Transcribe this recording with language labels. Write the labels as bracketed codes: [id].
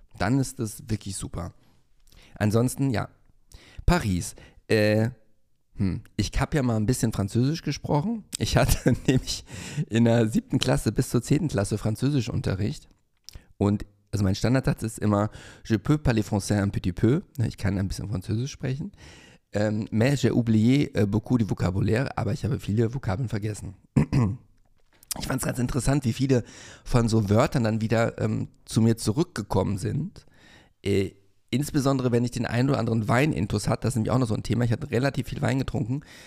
[de] Dann ist das wirklich super. Ansonsten, ja. Paris. Ich habe ja mal ein bisschen Französisch gesprochen. Ich hatte nämlich in der 7. Klasse bis zur 10. Klasse Französischunterricht. Und also mein Standardsatz ist immer, [fr] je peux parler français un petit peu. [de] Ich kann ein bisschen Französisch sprechen. [fr] Mais j'ai oublié beaucoup de vocabulaire. [de] Aber ich habe viele Vokabeln vergessen. Ich fand es ganz interessant, wie viele von so Wörtern dann wieder zu mir zurückgekommen sind. Insbesondere, wenn ich den einen oder anderen Wein-Intus hatte, das ist nämlich auch noch so ein Thema, ich hatte relativ viel Wein getrunken.